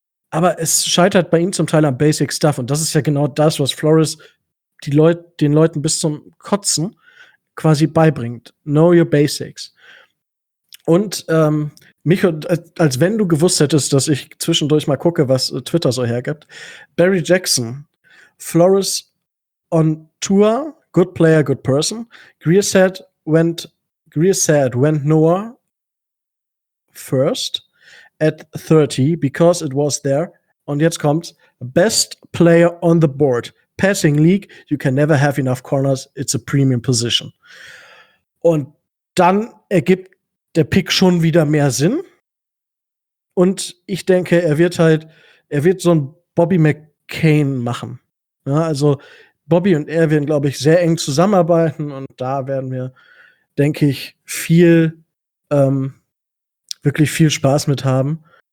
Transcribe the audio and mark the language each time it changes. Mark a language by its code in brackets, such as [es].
[de] Aber es scheitert bei ihm zum Teil am Basic Stuff. Und das ist ja genau das, was Flores den Leuten bis zum Kotzen quasi beibringt. Know your basics. Und mich, als wenn du gewusst hättest, dass ich zwischendurch mal gucke, was Twitter so hergibt. [en] Barry Jackson, Flores on tour, good player, good person. Greer said went Noah first at 30 because it was there. [de] Und jetzt kommt best player on the board. [en] Passing League, you can never have enough corners, it's a premium position. [de] Und dann ergibt der Pick schon wieder mehr Sinn. Und ich denke, er wird so ein Bobby McCain machen. Ja, also Bobby und er werden, glaube ich, sehr eng zusammenarbeiten und da werden wir, denke ich, viel, wirklich viel Spaß mit haben.